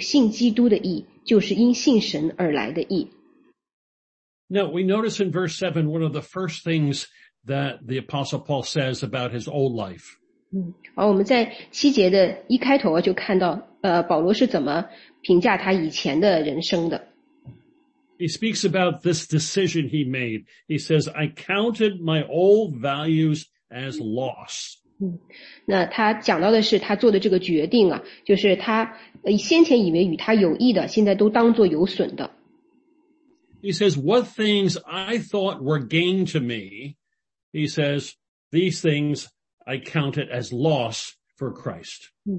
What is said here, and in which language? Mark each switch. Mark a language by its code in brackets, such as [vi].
[zh] 基督耶稣为至宝,我为他已经丢弃万事看作粪土,为要得着基督,并且得以在他里面,不是有自己因律法而得的义,乃是有信基督的义,就是因信神而来的义。 [en] Now we notice in verse 7, one of the first things that the Apostle Paul says about his old life. [zh] 好,我们在七节的一开头就看到保罗是怎么评价他以前的人生的。 [en] He speaks about this decision he made. He says, I counted my old values as loss. [zh] 那他讲到的是他做的这个决定啊,就是他先前以为与他有益的,现在都当作有损的。 [en] He says, what things I thought were gain to me, he says, these things I counted as loss for Christ.